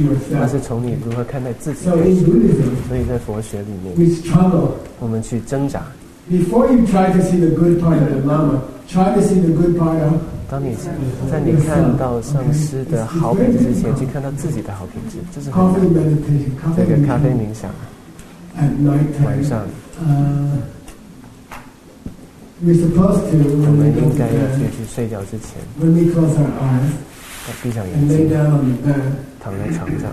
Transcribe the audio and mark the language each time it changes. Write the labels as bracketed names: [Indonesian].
[Chinese] 那是从你如何看待自己。所以在佛学里面，我们去挣扎。 [English] Before you try to see the good part of the lama, [Chinese] 当你在你看到上师的好品质之前，去看到自己的好品质，这是很难的。这个咖啡冥想，晚上，我们应该要去睡觉之前，要闭上眼睛，躺在床上。